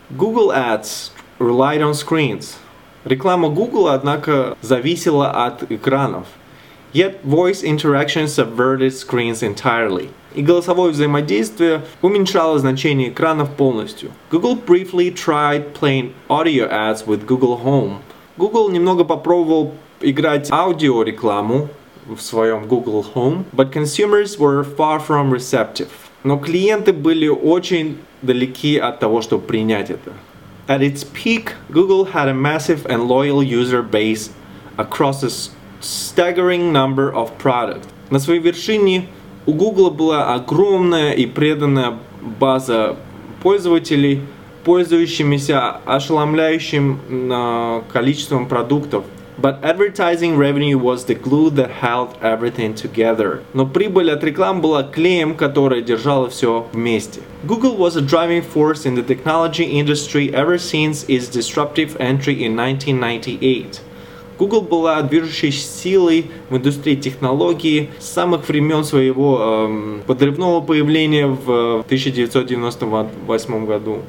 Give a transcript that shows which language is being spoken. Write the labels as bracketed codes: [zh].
[en] Google Ads relied on screens. [ru] Реклама Google, однако, зависела от экранов. [en] Yet voice interaction subverted screens entirely. [ru] И голосовое взаимодействие уменьшало значение экранов полностью. [en] Google briefly tried playing audio ads with Google Home. [ru] Google немного попробовал играть аудиорекламу в своем Google Home, [en] but consumers were far from receptive. [ru] Но клиенты были очень далеки от того, чтобы принять это. [en] At its peak, Google had a massive and loyal user base across a staggering number of products. [ru] На своей вершине у Google была огромная и преданная база пользователей, пользующимися ошеломляющим количеством продуктов. [en] But advertising revenue was the glue that held everything together. [ru] Но прибыль от рекламы была клеем, который держал все вместе. [en] Google was a driving force in the technology industry ever since its disruptive entry in 1998. [ru] Google была движущей силой в индустрии технологий с самых времен своего подрывного появления в 1998 году.